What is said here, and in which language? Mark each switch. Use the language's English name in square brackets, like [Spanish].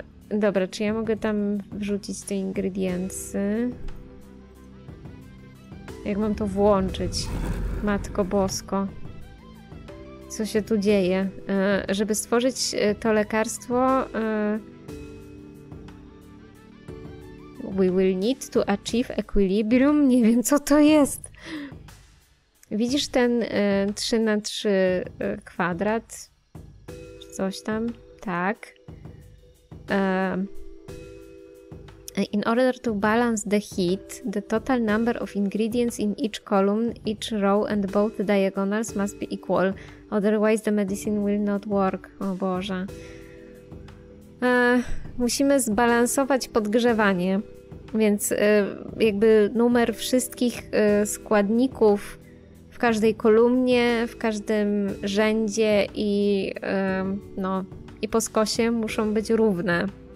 [Polish] Dobra, czy ja mogę tam wrzucić te ingrediencje? Jak mam to włączyć? Matko Bosko. Co się tu dzieje? Żeby stworzyć to lekarstwo... [English] We will need to achieve equilibrium. [Polish] Nie wiem, co to jest. Widzisz ten 3x3 kwadrat? Coś tam? Tak. [English] In order to balance the heat, the total number of ingredients in each column, each row and both diagonals must be equal. Otherwise the medicine will not work. [Polish] O Boże. Musimy zbalansować podgrzewanie. Więc jakby numer wszystkich składników w każdej kolumnie, w każdym rzędzie i no i po skosie muszą być równe.